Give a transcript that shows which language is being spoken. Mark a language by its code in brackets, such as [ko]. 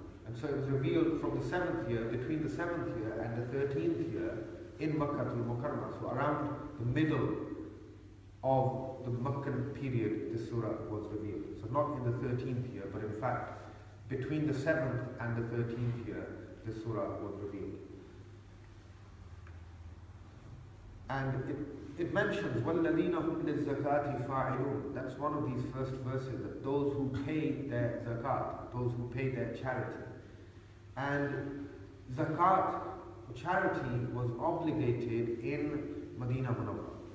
[en] And so it was revealed from the 7th year, between the 7th year and the 13th year in Makkah al-Mukarramah. So around the middle of the Makkan period, this surah was revealed. So not in the 13th year, but in fact, between the 7th and the 13th year, this surah was revealed. And it mentions, [ar] وَالَّذِينَ هُمْ لِلزَّكَاةِ فَاعِلُونَ. [en] That's one of these first verses, that those who pay their zakat, those who pay their charity. And zakat, charity, was obligated in Medina Munawwara.